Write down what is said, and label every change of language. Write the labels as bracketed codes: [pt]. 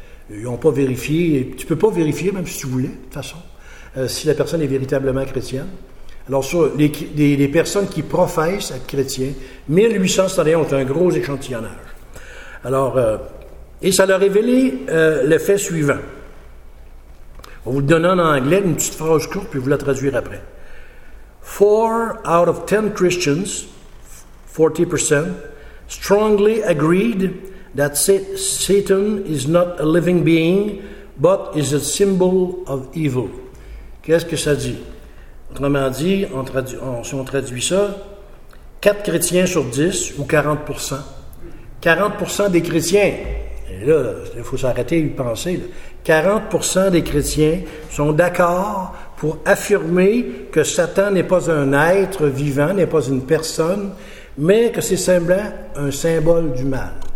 [fr] Ils n'ont pas vérifié, tu ne peux pas vérifier, même si tu voulais, de toute façon, si la personne est véritablement chrétienne. Alors, sur les personnes qui professent être chrétiens, 1871, c'est un gros échantillonnage. Alors, et ça leur a révélé le fait suivant. On vous le donne en anglais, une petite phrase courte, puis vous la traduire après. [en] 4 out of 10 Christians, 40%, strongly agreed that Satan is not a living being, but is a symbol of evil. [fr] Qu'est-ce que ça dit? Autrement dit, si on traduit ça, 4 chrétiens sur 10, ou 40%. 40% des chrétiens, et là, il faut s'arrêter et y penser, là. 40% des chrétiens sont d'accord pour affirmer que Satan n'est pas un être vivant, n'est pas une personne, mais que c'est semblant un symbole du mal.